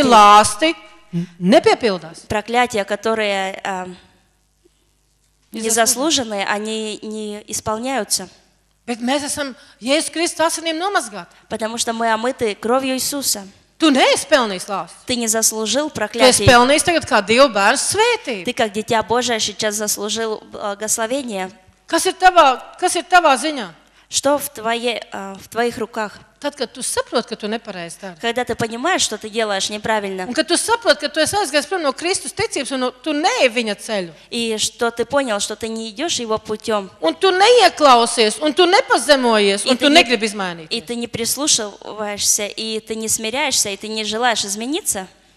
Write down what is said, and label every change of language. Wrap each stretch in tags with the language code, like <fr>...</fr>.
<lv>Nepelnīti lāsti nepiepildās.</lv> <ru>Prakļātie, которые незаслуженные, они не исполняются.</ru> <lv>Bet mēs esam Jēzus Kristus asinīm nomazgāti.</lv> <ru>Потому что мы омыты кровью Иисуса.</ru> <lv>Tu neizpelnīs lāsti.</lv> <ru>Ты не заслужил проклятие.</ru> <lv>Tu izpelnīs tagad kā Dieva bērns svētību.</lv> <ru>Ты как дитя Божие сейчас заслужил благословение.</ru> <lv>Kas ir tavā ziņā?</lv> <ru>Что в твоих руках?</ru> <lv>Tad, kad tu saproti, ka tu nepareizi dari.</lv> <ru>Когда ты понимаешь, что ты делаешь неправильно.</ru> <lv>Un kad tu saproti, ka tu esi aizgājis prom no Kristus ticības un tu neej viņa ceļu.</lv> <ru>И что ты понял, что ты не идёшь его путём.</ru> <lv>Un tu neieklausies, un tu nepazemojies, un tu negribi izmainīties.</lv> <ru>И ты не прислушиваешься, и ты не смиряешься, и ты не желаешь измениться.</ru>